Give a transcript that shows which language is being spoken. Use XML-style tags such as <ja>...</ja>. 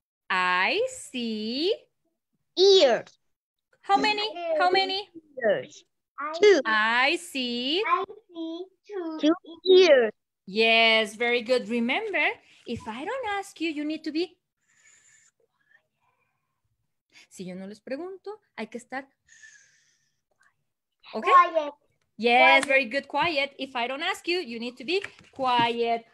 <en>I see ears. How many? How many? Ears. Two. I see two ears. Yes, very good. Remember, if I don't ask you, you need to be.</en> <es>Si yo no les pregunto, hay que estar.</es> <en>Okay? Quiet. Yes, quiet. Very good. Quiet. If I don't ask you, you need to be quiet.</en>